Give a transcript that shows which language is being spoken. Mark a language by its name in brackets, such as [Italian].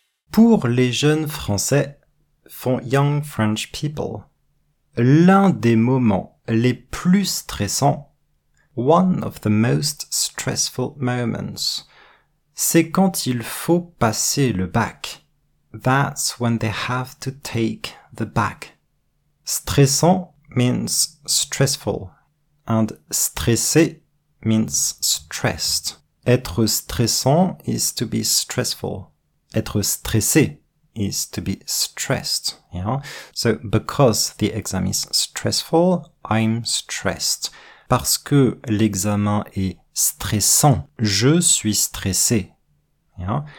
[French] Pour les jeunes français, font [English] Young French People, [French] l'un des moments les plus stressants, [English] one of the most stressful moments, [French] c'est quand il faut passer le bac. [English] That's when they have to take the bac. Stressant means stressful, and stressé means stressed. Être stressant is to be stressful. Être stressé is to be stressed, yeah? So, because the exam is stressful, I'm stressed. [French] Parce que l'examen est stressant, je suis stressé, yeah?